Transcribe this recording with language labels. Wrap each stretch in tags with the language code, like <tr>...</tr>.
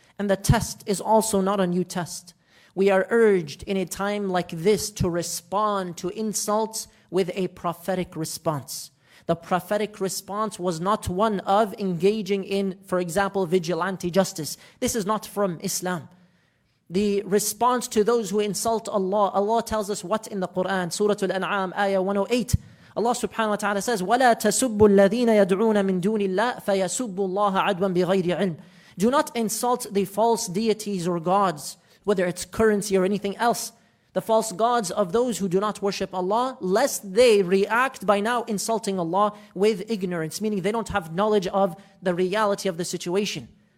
<en>And the test is also not a new test. We are urged in a time like this to respond to insults with a prophetic response. The prophetic response was not one of engaging in, for example, vigilante justice. This is not from Islam. The response to those who insult Allah, Allah tells us what in the Quran, Surah Al-An'am, Ayah 108. Allah subhanahu wa ta'ala says,</en> <ar>وَلَا تَسُبُّ الَّذِينَ يَدْعُونَ مِن دُونِ اللَّهِ فَيَسُبُّ اللَّهَ عَدْوًا بِغَيْرِ عِلْمٍ.</ar> <en>Do not insult the false deities or gods, whether it's currency or anything else, the false gods of those who do not worship Allah, lest they react by now insulting Allah with ignorance, meaning they don't have knowledge of the reality of the situation.</en>